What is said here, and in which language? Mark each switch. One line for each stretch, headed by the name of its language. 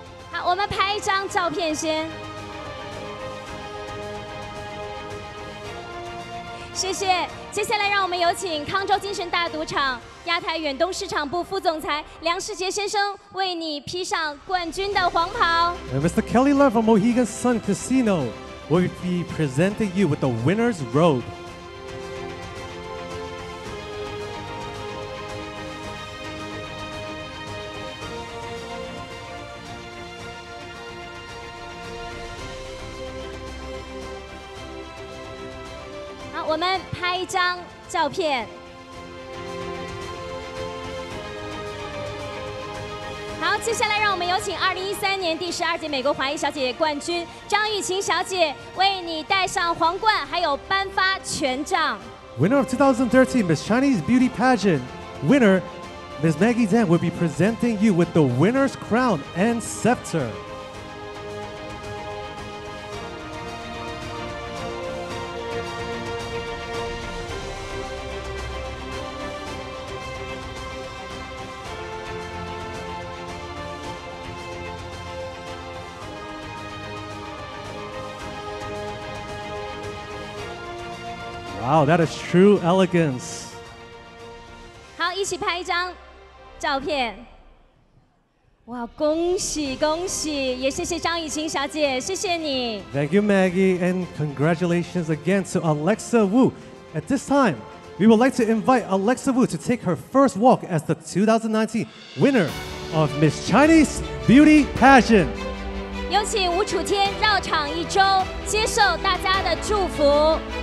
Chinese: 好，我们拍一张照片先。谢谢。接下来让我们有请康州精神大赌场亚太远东市场部副总裁梁世杰先生为你披上冠军的黄袍。
English: Mr. Kelly Love from Mohegan Sun Casino will be presenting you with the winner's robe.
Chinese: 好，我们拍一张照片。好，接下来让我们有请2013年第十二届美国华裔小姐冠军张雨晴小姐为你戴上皇冠，还有颁发权杖。
English: Winner of 2013 Miss Chinese Beauty Pageant winner Miss Maggie Zhang will be presenting you with the winner's crown and scepter. Wow, that is true elegance.
Chinese: 好，一起拍一张照片。哇，恭喜恭喜，也谢谢张雨晴小姐，谢谢你。
English: Thank you, Maggie, and congratulations again to Alexa Wu. At this time, we would like to invite Alexa Wu to take her first walk as the 2019 winner of Miss Chinese Beauty Pageant.
Chinese: 有请吴楚天绕场一周，接受大家的祝福。